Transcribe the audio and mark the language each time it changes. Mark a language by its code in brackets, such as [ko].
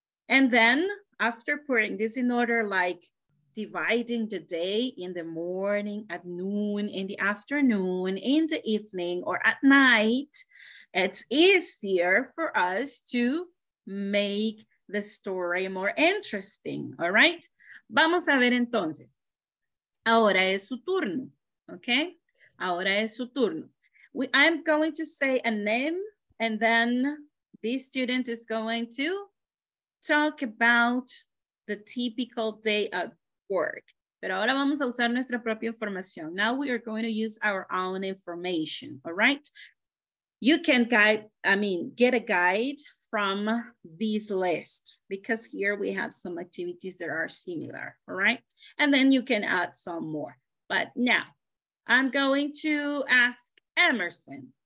[en] And then after putting this in order, like dividing the day in the morning, at noon, in the afternoon, in the evening, or at night, it's easier for us to make the story more interesting, all right? [es] Vamos a ver entonces. Ahora es su turno, okay? Ahora es su turno. [en] I'm going to say a name, and then this student is going to talk about the typical day at work. [es] Pero ahora vamos a usar nuestra propia información. [en] Now we are going to use our own information, all right? You can get a guide from this list because here we have some activities that are similar, all right? And then you can add some more. But now I'm going to ask Emerson.